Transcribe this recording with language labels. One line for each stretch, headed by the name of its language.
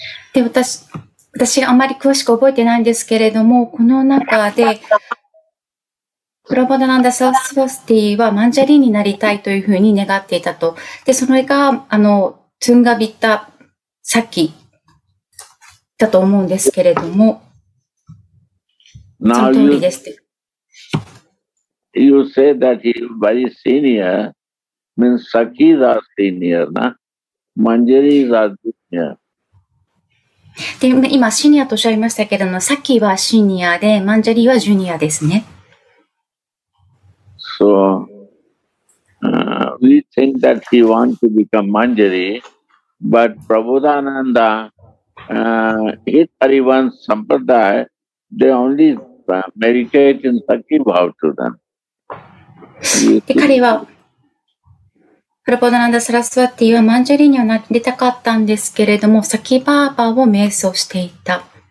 Japanese: で私があまり詳しく覚えてないんですけれども、この中でプラボダナンダ・サラスワスティはマンジャリーになりたいというふうに願っていたと。でそれがあのトゥンガビッタ・サキだと思うんですけれども、その通りです。
English: you say that he is very senior, means Saki is a senior, na? Manjari is a junior.
Japanese: で今シニアとおっしゃいましたけれども、さっきはシニアで、マンジャリはジュニアですね。
English: So, we think that he wants to become Manjari, but Prabodhananda, his Hariwan Sampradaya, they only meditate in Sakhi Bhav to them.
Japanese: で彼は、プラポダナンダ・サラスワティはマンジャリにはなりたかったんですけれども、サキバーバーを瞑想していた。